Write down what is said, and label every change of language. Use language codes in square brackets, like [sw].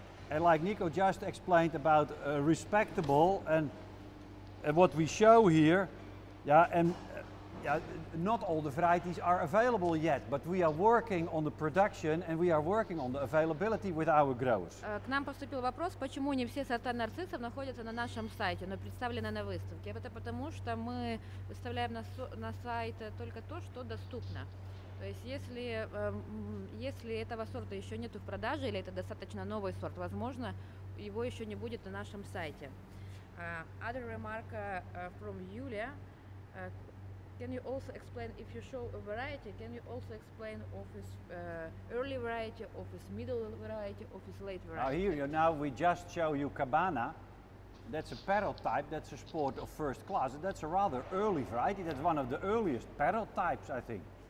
[en] And like Nico just explained about Respectable and what we show here, not all the varieties are available yet, but we are working on the production and we are working on the availability with our growers. [ru] К нам поступил вопрос, почему не все сорта нарциссов находятся на нашем сайте, но представлены на выставке. Это потому, что мы выставляем на сайт только то, что доступно. То есть, если этого сорта еще нету в продаже, или это достаточно новый сорт, возможно, его еще не будет на нашем сайте. [en] Other remark from Julia. Can you also explain, if you show a variety, can you also explain of its early variety, of its middle variety, of its late variety? Now we just show you Cabana. That's a parrot type, that's a sport of first class. That's a rather early variety, that's one of the earliest parrot types, I think.